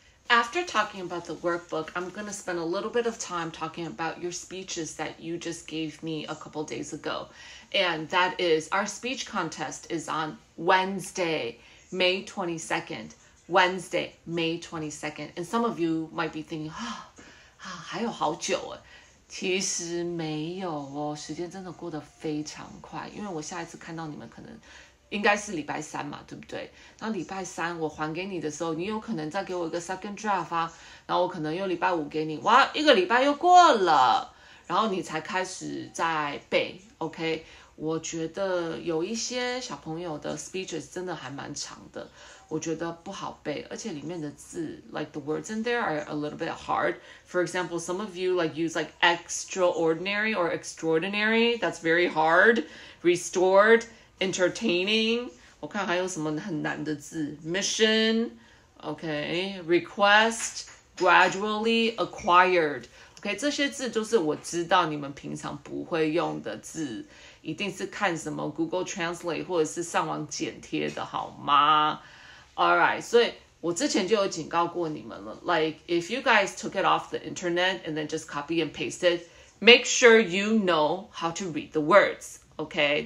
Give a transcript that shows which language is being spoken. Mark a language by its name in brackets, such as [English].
[English] After talking about the workbook, I'm gonna spend a little bit of time talking about your speeches that you just gave me a couple days ago, and that is our speech contest is on Wednesday, May 22nd. Wednesday, May 22nd, and some of you might be thinking, oh. [Chinese] 还有好久耶，其实没有哦，时间真的过得非常快，因为我下一次看到你们可能应该是礼拜三嘛，对不对？那礼拜三我还给你的时候，你有可能再给我一个 [English] second draft [Chinese] 啊，然后我可能又礼拜五给你，哇，一个礼拜又过了，然后你才开始在背 OK。我觉得有一些小朋友的 speeches 真的还蛮长的，我觉得不好背，而且里面的字 [English] like the words in there are a little bit hard. For example, some of you like use like extraordinary or extraordinary. That's very hard. Restored, entertaining. [Chinese] 我看还有什么很难的字 [English] mission, okay, request, gradually acquired. [Chinese] Okay, 这些字就是我知道你们平常不会用的字。一定是看什么 Google Translate 或者是上网剪贴的好吗 [English] Alright, 所以我之前就有警告过你们了 Like, if you guys took it off the internet and then just copy and paste it, make sure you know how to read the words, okay?